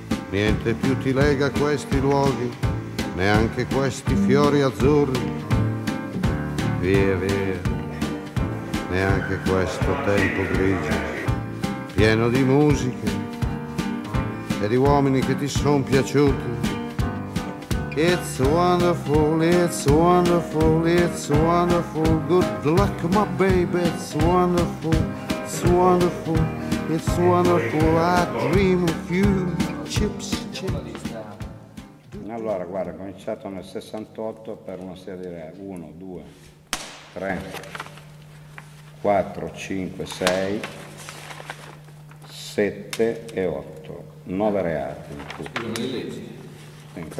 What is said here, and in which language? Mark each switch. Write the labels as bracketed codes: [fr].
[it] Niente più ti lega a questi luoghi, neanche questi fiori azzurri. Via, via, neanche questo tempo grigio, pieno di musiche e di uomini che ti sono piaciuti. [en] It's wonderful, it's wonderful, it's wonderful, good luck my baby, it's wonderful, it's wonderful, it's wonderful, I dream of you, chips, chips. [it] Allora, guarda, ho cominciato nel 68 per una serie di 1, 2, 3, 4, 5, 6, 7 e 8, 9 reati.